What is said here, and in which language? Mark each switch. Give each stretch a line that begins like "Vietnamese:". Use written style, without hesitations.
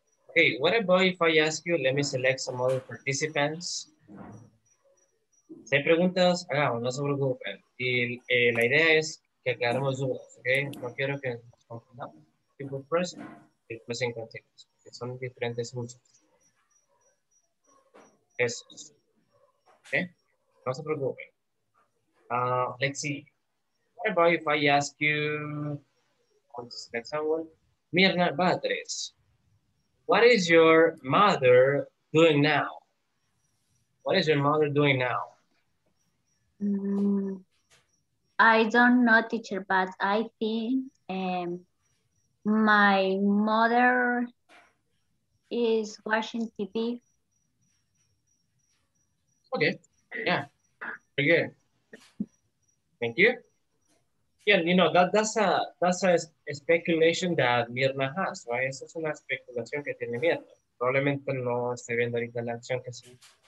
English: Okay, what about if I ask you, let me select some other participants.
Spanish: Si hay preguntas, hagamos, no se preocupen. Y la idea es que aclaremos dudas, ¿ok? No quiero que nos confundamos. Tipo present y present continuous, que son diferentes usos. Eso. ¿Ok? No se preocupen.
English: Let's see. What about if I ask you, on this next one, Mirna Batres, what is your mother doing now? What is your mother doing now? I don't know, teacher, but I think my mother is watching TV. Okay, yeah, very good. Thank you. Yeah, you know, that's a speculation that Mirna has, right?
Spanish: Esa es una especulación que tiene Mirna. Probablemente no esté viendo ahorita la acción que sí.